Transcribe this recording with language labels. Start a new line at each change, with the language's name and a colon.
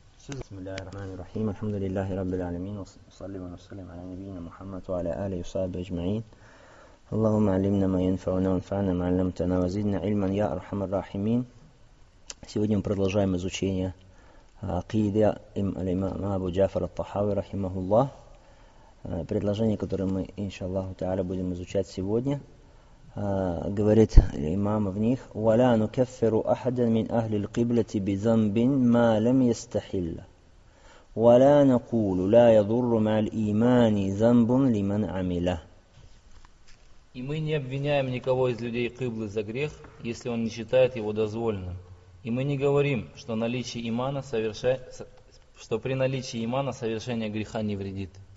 Arabic: بسم الله الرحمن الرحيم، الحمد لله رب العالمين، وصلي ونسلم على نبينا محمد وعلى آله وصحبه أجمعين. اللهم علمنا ما ينفعنا وانفعنا ما علمتنا وزدنا علما يا أرحم الراحمين.
Russian: Сегодня мы продолжаем изучение акиды имама Абу Джафара ат-Тахави рахимахуллах. Предложение, которое мы иншааллаху тааля будем изучать сегодня, говорит имам в них:
Arabic: وَلَا نُكَفِّرُ أَحَدًا مِنْ أَهْلِ الْقِبْلَةِ بِذَنْبٍ مَا لَمْ يَسْتَحِلَّ وَلَا نَقُولُ لَا يَضُرُّ مَعَ الْإِيمَانِ ذَنْبٌ لِمَنْ عَمِلَهُ.
Russian: И мы не обвиняем никого из людей Кыблы за грех, если он не считает его дозволенным. И мы не говорим, что наличие имана что при наличии имана совершение греха не вредит.